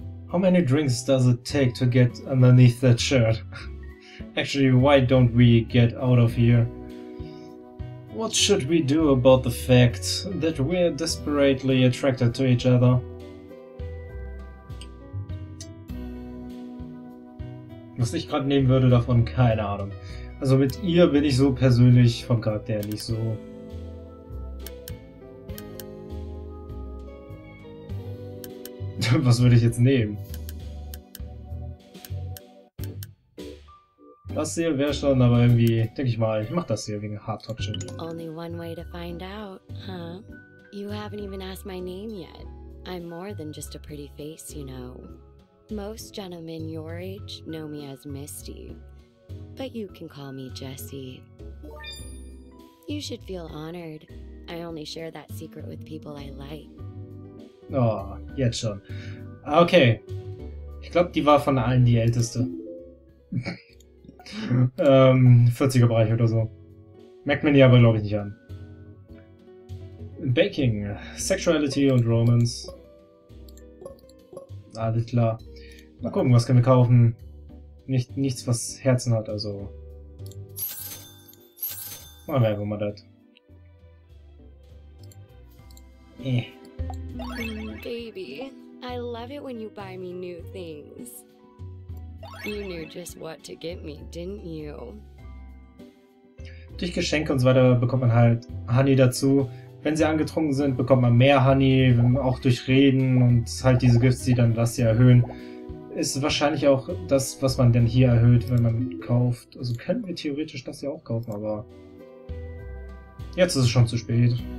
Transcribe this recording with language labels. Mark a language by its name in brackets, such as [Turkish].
[English] How many drinks does it take to get underneath that shirt? Actually, why don't we get out of here? What should we do about the fact that we're desperately attracted to each other? [German] Was ich gerade nehmen würde davon, keine Ahnung. Also mit ihr bin ich so persönlich vom Charakter nicht so. Was würde ich jetzt nehmen? Das hier wäre schon, aber irgendwie, denke ich mal, ich mach das hier wegen Hard Top Chili. [English] Only one way to find out, huh? You haven't even asked my name yet. I'm more than just a pretty face, you know. Most gentlemen your age know me as Misty. But you can call me Jessie. You should feel honored. I only share that secret with people I like. [German] Oh, jetzt schon. Okay. Ich glaube, die war von allen die älteste. 40er Bereich oder so. Merkt man die aber, glaube ich, nicht an. Baking, Sexuality und Romance. Alles klar. Mal gucken, was können wir kaufen? Nichts, was Herzen hat, also. Machen wir einfach mal das. [English] Baby, I love it when you buy me new things. You knew just what to get me, didn't you? [German] Durch Geschenke und so weiter bekommt man halt Honey dazu. Wenn sie angetrunken sind, bekommt man mehr Honey. Auch durch Reden und halt diese Gifts, die dann das hier erhöhen. Ist wahrscheinlich auch das, was man denn hier erhöht, wenn man kauft. Also könnten wir theoretisch das hier auch kaufen, aber jetzt ist es schon zu spät.